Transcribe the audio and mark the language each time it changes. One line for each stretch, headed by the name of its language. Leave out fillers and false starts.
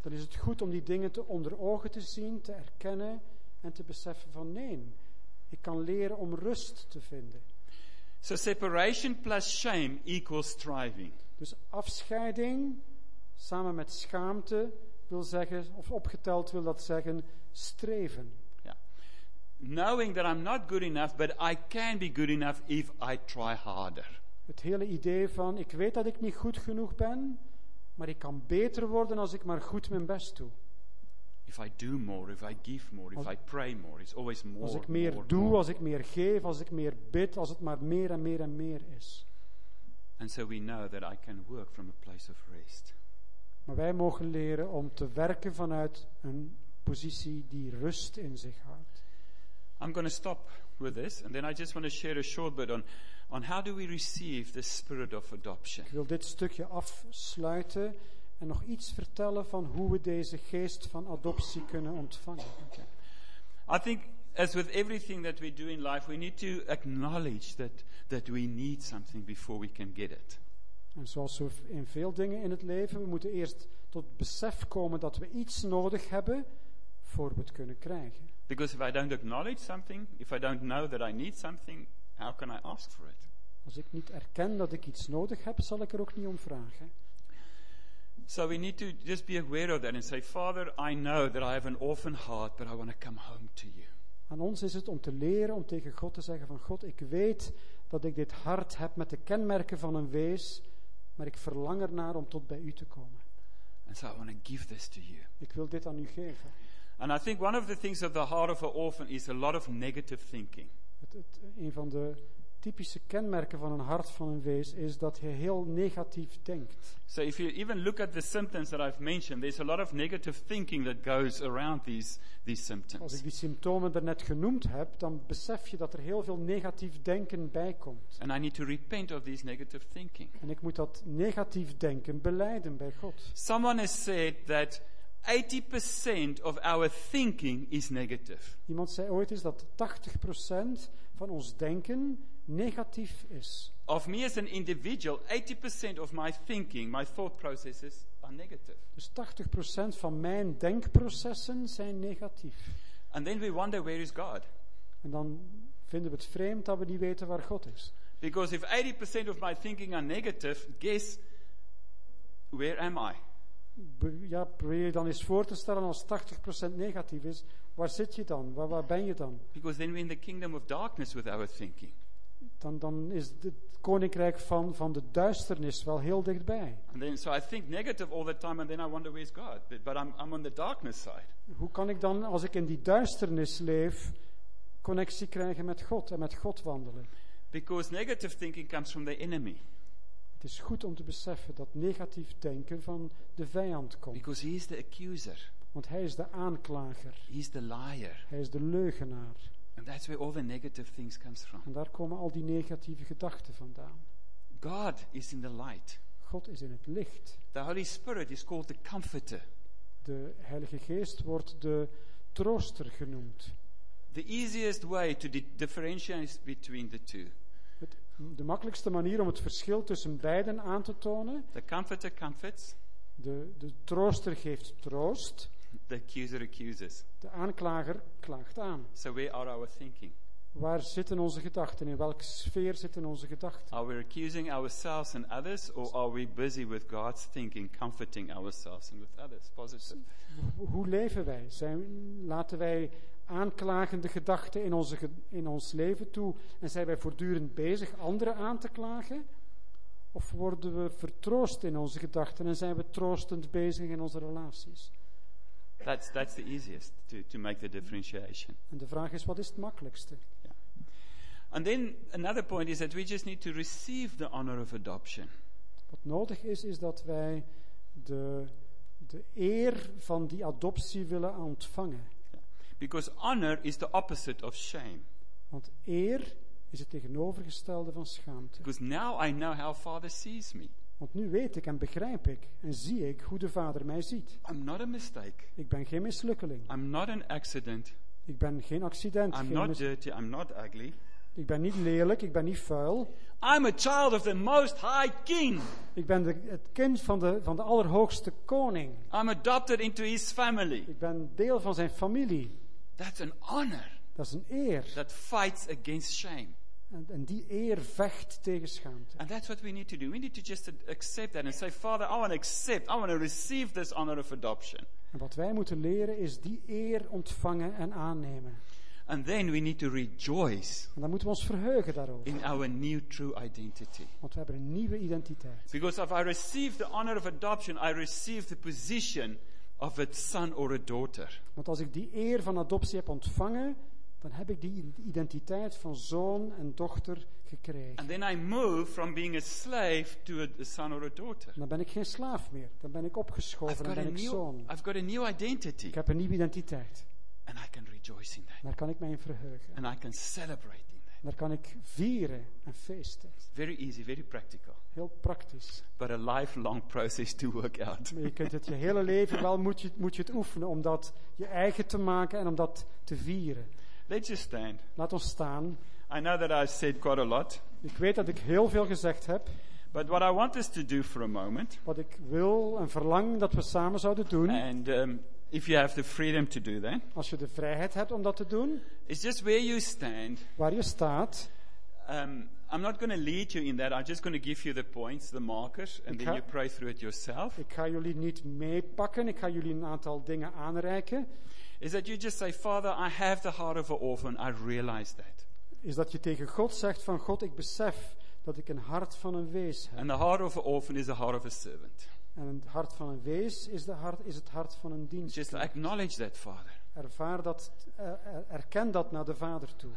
Dutch: Dan is het goed om die dingen te onder ogen te zien, te erkennen en te beseffen van nee, ik kan leren om rust te vinden.
English: So separation plus shame equals striving.
Dutch: Dus afscheiding samen met schaamte wil zeggen, of opgeteld wil dat zeggen, streven.
English: Knowing that I'm not good enough, but I can be good enough if I try harder.
Dutch: Het hele idee van ik weet dat ik niet goed genoeg ben, maar ik kan beter worden als ik maar goed mijn best doe.
English: If I do more, if I give more, if I pray more, it's always more.
Dutch: Als ik meer doe, als ik meer geef, als ik meer bid, als het maar meer en meer en meer is.
English: And so we know that I can work from a place of rest.
Dutch: Maar wij mogen leren om te werken vanuit een positie die rust in zich houdt.
English: I'm going to stop with this, and then I just want to share a short bit on how do we receive the spirit of adoption.
Dutch: Ik wil dit stukje afsluiten en nog iets vertellen van hoe we deze geest van adoptie kunnen ontvangen.
English: Okay. I think, as with everything that we do in life, we need to acknowledge that we need something before we can get it.
Dutch: En zoals in veel dingen in het leven, we moeten eerst tot besef komen dat we iets nodig hebben voor we het kunnen krijgen.
English: Because if I don't acknowledge something, if I don't know that I need something, how can I ask for it?
Dutch: Als ik niet erken dat ik iets nodig heb, zal ik er ook niet om vragen.
English: So we need to just be aware of that and say, Father, I know that I have an orphan heart, but I want to come home to you.
Dutch: Aan ons is het om te leren om tegen God te zeggen van God, ik weet dat ik dit hart heb met de kenmerken van een wees, maar ik verlang ernaar om tot bij u te komen.
English: And so I want to give this to you.
Dutch: Ik wil dit aan u geven.
English: And I think one of the things of the heart of an orphan is a lot of negative thinking.
Dutch: Een van de typische kenmerken van een hart van een wees is dat hij heel negatief denkt.
English: So if you even look at the symptoms that I've mentioned, there's a lot of negative thinking that goes around these symptoms.
Dutch: Als ik die symptomen daarnet genoemd heb, dan besef je dat er heel veel negatief denken bij komt.
English: And I need to repent of these negative thinking.
Dutch: En ik moet dat negatief denken belijden bij God.
English: Someone has said that 80% of our thinking is negative.
Dutch: Iemand zei ooit eens dat 80% van ons denken negatief is.
English: Of me as an individual, 80% of my thinking, my thought processes are negative.
Dutch: Dus 80% van mijn denkprocessen zijn negatief.
English: And then we wonder where is God.
Dutch: En dan vinden we het vreemd dat we niet weten waar God is.
English: Because if 80% of my thinking are negative, guess where am I?
Dutch: Ja, probeer je dan eens voor te stellen als 80% negatief is. Waar zit je dan? Waar ben je dan?
English: Because then we're in the kingdom of darkness with our thinking.
Dutch: Dan is het koninkrijk van de duisternis wel heel dichtbij.
English: And then, so I think negative all the time and then I wonder where is God. But I'm on the darkness side.
Dutch: Hoe kan ik dan, als ik in die duisternis leef, connectie krijgen met God en met God wandelen?
English: Because negative thinking comes from the enemy.
Dutch: Het is goed om te beseffen dat negatief denken van de vijand komt.
English: Because he is the accuser.
Dutch: Want hij is de aanklager.
English: He is the liar.
Dutch: Hij is de leugenaar.
English: And that's where all the negative things comes from.
Dutch: En daar komen al die negatieve gedachten vandaan.
English: God is in the light.
Dutch: God is in het licht.
English: The Holy Spirit is called the comforter.
Dutch: De Heilige Geest wordt de trooster genoemd.
English: The easiest way to differentiate between the two.
Dutch: De makkelijkste manier om het verschil tussen beiden aan te tonen.
English: The comforter comforts.
Dutch: De trooster geeft troost.
English: The accuser accuses.
Dutch: De aanklager klaagt aan.
English: So where are our thinking?
Dutch: Waar zitten onze gedachten? In welke sfeer zitten onze gedachten?
English: Are we accusing ourselves and others, or are we busy with God's thinking, comforting ourselves and with others? Positive.
Dutch: Hoe leven wij? Laten wij aanklagende gedachten in ons leven toe en zijn wij voortdurend bezig anderen aan te klagen? Of worden we vertroost in onze gedachten en zijn we troostend bezig in onze relaties?
English: That's the easiest to make the differentiation.
Dutch: En de vraag is, wat is het makkelijkste?
English: Yeah. And then another point is that we just need to receive the honor of adoption.
Dutch: Wat nodig is, is dat wij de eer van die adoptie willen ontvangen.
English: Because honor is the opposite of shame.
Dutch: Want eer is het tegenovergestelde van schaamte.
English: Because now I know how Father sees me.
Dutch: Want nu weet ik en begrijp ik en zie ik hoe de Vader mij ziet.
English: I'm not a mistake.
Dutch: Ik ben geen mislukkeling.
English: I'm not an accident.
Dutch: Ik ben geen accident.
English: I'm not dirty. I'm not ugly.
Dutch: Ik ben niet lelijk. Ik ben niet vuil.
English: I'm a child of the Most High King.
Dutch: Ik ben het kind van de Allerhoogste Koning.
English: I'm adopted into His family.
Dutch: Ik ben deel van zijn familie.
English: That's an honor.
Dutch: Dat is een eer.
English: That fights against shame.
Dutch: En die eer vecht tegen schaamte.
English: And that's what we need to do. We need to just accept that and say, Father, I want to accept. I want to receive this honor of adoption.
Dutch: En wat wij moeten leren is die eer ontvangen en aannemen.
English: And then we need to rejoice.
Dutch: En dan moeten we ons verheugen daarover.
English: In our new true identity.
Dutch: Want we hebben een nieuwe identiteit.
English: Because if I receive the honor of adoption, I receive the position of a son or a daughter.
Dutch: Want als ik die eer van adoptie heb ontvangen, dan heb ik die identiteit van zoon en dochter gekregen.
English: And then I move from being a slave to a son or a daughter.
Dutch: Dan ben ik geen slaaf meer. Dan ben ik opgeschoven en ben ik zoon.
English: I've got a new identity.
Dutch: Ik heb een nieuwe identiteit.
English: And I can rejoice in that.
Dutch: Daar kan ik mij in verheugen.
English: And I can celebrate in that.
Dutch: Daar kan ik vieren en feesten.
English: Very easy, very practical.
Dutch: Heel praktisch.
English: But a lifelong process to work out.
Dutch: Maar je kunt het je hele leven wel moet je het oefenen om dat je eigen te maken en om dat te vieren.
English: Let's just stand.
Dutch: Laat ons staan.
English: I know that I said quite a lot.
Dutch: Ik weet dat ik heel veel gezegd heb.
English: But what I want us to do for a moment.
Dutch: Wat ik wil en verlang dat we samen zouden doen.
English: And if you have the freedom to do that.
Dutch: Als je de vrijheid hebt om dat te doen.
English: It's just where you stand.
Dutch: Waar je staat.
English: I'm not going to lead you in that. I'm just going to give you the points, the markers, and then you pray through it yourself.
Dutch: Ik ga jullie niet meepakken. Ik ga jullie een aantal dingen aanreiken.
English: Is that you just say, Father, I have the heart of an orphan. I realize that.
Dutch: Is dat je tegen God zegt van God, ik besef dat ik een hart van een wees heb.
English: And the heart of an orphan is the heart of a servant.
Dutch: En het hart van een wees is het hart van een dienst.
English: Just acknowledge that, Father.
Dutch: Ervaar dat, erken dat naar de Vader toe.